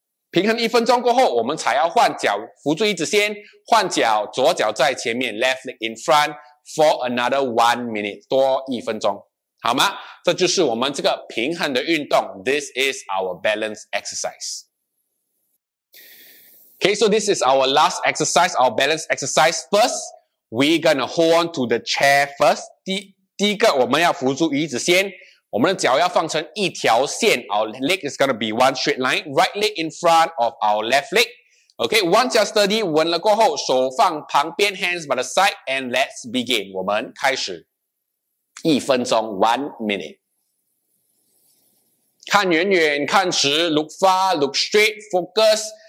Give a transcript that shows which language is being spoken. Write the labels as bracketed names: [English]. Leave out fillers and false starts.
[Chinese] 平衡一分钟过后我们才要换脚扶住椅子先换脚左脚在前面 [English] Left leg in front For another 1 minute [Chinese] 多一分钟好吗这就是我们这个平衡的运动 [English] This is our balance exerciseOkay, so this is our last exercise, our balance exercise. First, we're gonna hold on to the chair first. [Chinese] 第一个，我们要扶住椅子先。我们的脚要放成一条线。 [English] Our leg is gonna be one straight line. Right leg in front of our left leg. Okay, once you're steady, [Chinese] 稳了过后，手放旁边 [English] ，hands by the side, and let's begin. [Chinese] 我们开始。一分钟 ， [English] 1 minute. [Chinese] 看远远，看直 [English] ，look far, look straight, focus.